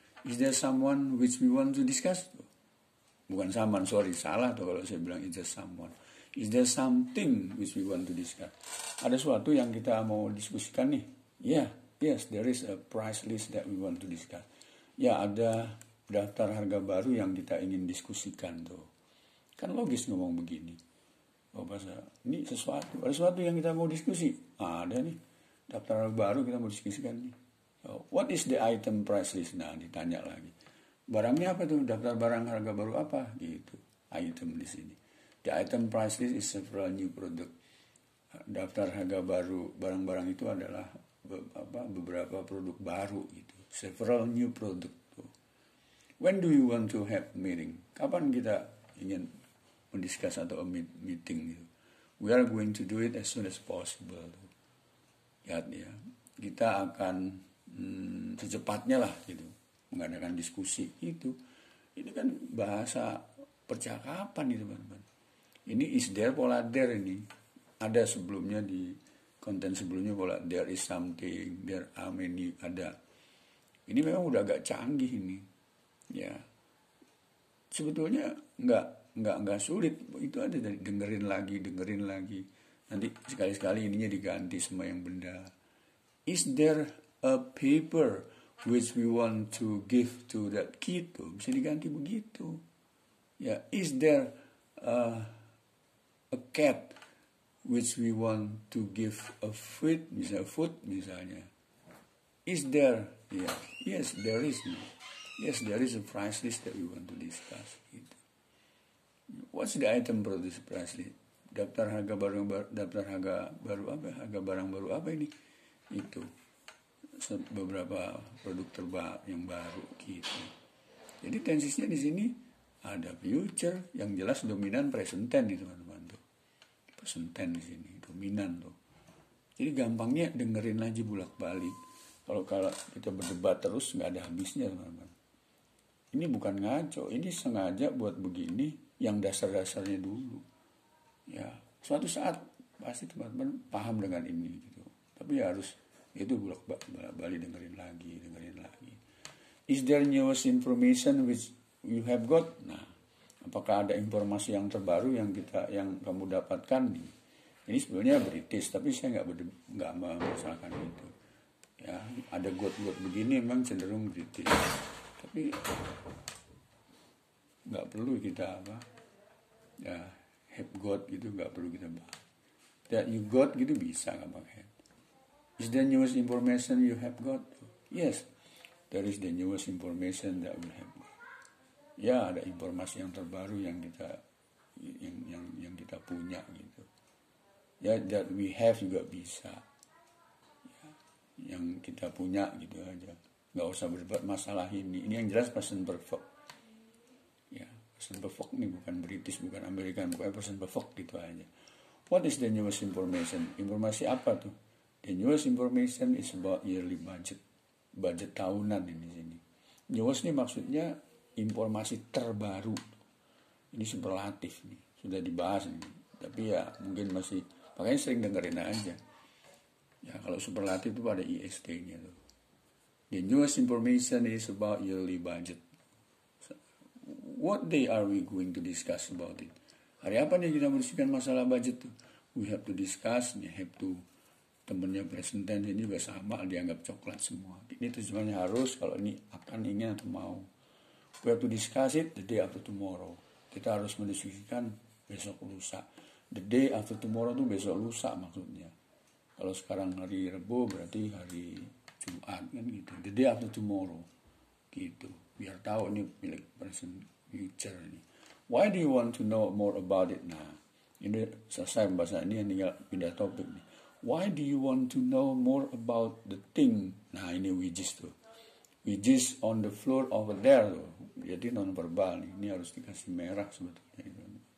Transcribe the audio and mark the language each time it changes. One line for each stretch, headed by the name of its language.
English: Is there someone which we want to discuss?
Indonesian: Bukan someone, sorry, salah tuh kalau saya bilang
English: is there someone. Is there something which we want to discuss?
Indonesian: Ada sesuatu yang kita mau diskusikan nih.
English: Yeah, yes, there is a price list that we want to discuss.
Indonesian: Ya, ada daftar harga baru yang kita ingin diskusikan tuh. Kan logis ngomong begini. Bahasa, ini sesuatu, ada sesuatu yang kita mau diskusi. Nah, ada nih, daftar harga baru kita mau diskusikan nih.
English: What is the item price list?
Indonesian: Nah, ditanya lagi. Barangnya apa tuh? Daftar barang harga baru apa? Gitu. Item di sini.
English: The item price list is several new product.
Indonesian: Daftar harga baru barang-barang itu adalah beberapa produk baru gitu.
English: Several new product tuh. When do you want to have meeting?
Indonesian: Kapan kita ingin mendiskus atau meeting gitu?
English: We are going to do it as soon as possible.
Indonesian: Lihat ya. Kita akan secepatnya lah gitu mengadakan diskusi itu. Ini kan bahasa percakapan nih teman-teman. Ini is there pola there ini. Ada sebelumnya di konten sebelumnya pola
English: there is something, there are many,
Indonesian: ada. Ini memang udah agak canggih ini. Ya. Sebetulnya enggak sulit. Itu ada dari dengerin lagi. Nanti sekali-sekali ininya diganti sama yang benda.
English: Is there a paper which we want to give to that kid tuh,
Indonesian: bisa diganti begitu.
English: Ya, is there a cat which we want to give a food, misalnya food misalnya. Is there, yeah, yes, there is. No. Yes, there is a price list that we want to discuss. Gitu. What's the item for this price list?
Indonesian: Daftar harga barang baru apa ini? Itu. Beberapa produk yang baru gitu. Jadi tensisnya di sini ada future yang jelas dominan present tense nih teman-teman tuh. Present tense di sini dominan tuh. Jadi gampangnya dengerin aja bolak-balik. Kalau kita berdebat terus enggak ada habisnya teman-teman. Ini bukan ngaco, ini sengaja buat begini yang dasar-dasarnya dulu. Ya, suatu saat pasti teman-teman paham dengan ini gitu. tapi ya harus itu bolak-balik dengerin lagi.
English: Is there newest information which you have got?
Indonesian: Nah, apakah ada informasi yang terbaru yang kita yang kamu dapatkan? Ini sebenarnya British, tapi saya nggak memasalkan itu. Ya, ada got-got begini memang cenderung British, tapi nggak perlu kita apa ya have got gitu, nggak perlu kita bahas.
English: That you got
Indonesian: gitu bisa nggak pakai.
English: Is there newest information you have got? Yes, there is the newest information that we have got.
Indonesian: Ya, ada informasi yang terbaru yang kita punya gitu. Ya,
English: that we have
Indonesian: juga bisa. Ya, yang kita punya gitu aja. Gak usah berdebat masalah ini. Ini yang jelas present perfect. Ya, present perfect ini bukan British, bukan American, bukan present perfect gitu aja.
English: What is the newest information?
Indonesian: Informasi apa tuh?
English: The newest information is about yearly budget,
Indonesian: budget tahunan ini sini. Newest ini maksudnya informasi terbaru. Ini superlatif nih, sudah dibahas nih. Tapi ya mungkin masih, makanya sering dengerin aja. Ya kalau superlatif itu pada IST-nya tuh.
English: The newest information is about yearly budget. What day are we going to discuss about it?
Indonesian: Hari apa nih kita mendiskusikan masalah budget tuh?
English: We have to discuss, we have to.
Indonesian: Temennya presenten ini juga sama, dianggap coklat semua. Ini tujuannya harus, kalau ini akan, ingin atau mau.
English: We have to discuss it the day after tomorrow.
Indonesian: Kita harus mendiskusikan besok lusa.
English: The day after tomorrow
Indonesian: itu besok lusa maksudnya. Kalau sekarang hari Rebo berarti hari Jumat kan gitu.
English: The day after tomorrow.
Indonesian: Gitu. Biar tahu ini milik present future ini.
English: Why do you want to know more about it?
Indonesian: Nah, ini selesai pembahasan ini yang tinggal pindah topik nih.
English: Why do you want to know more about the thing? Nah, ini which is tuh. Which is on the floor over there tuh.
Indonesian: Jadi nonverbal nih. Ini harus dikasih merah sebetulnya.